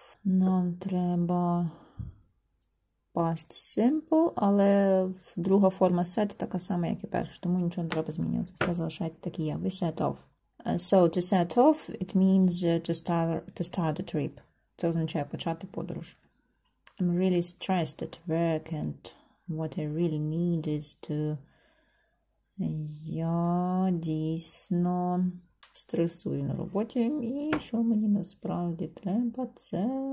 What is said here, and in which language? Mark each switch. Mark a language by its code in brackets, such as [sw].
[uk] Нам треба... Past simple, але друга форма set така сама, як і перша, тому нічого не треба змінювати. Все залишається так і є. [en] We set off. So, to set off, it means to start a trip. [uk] Це означає почати подорож. [en] I'm really stressed at work and what I really need is to... [uk] Я дійсно стресую на роботі і що мені насправді треба, це...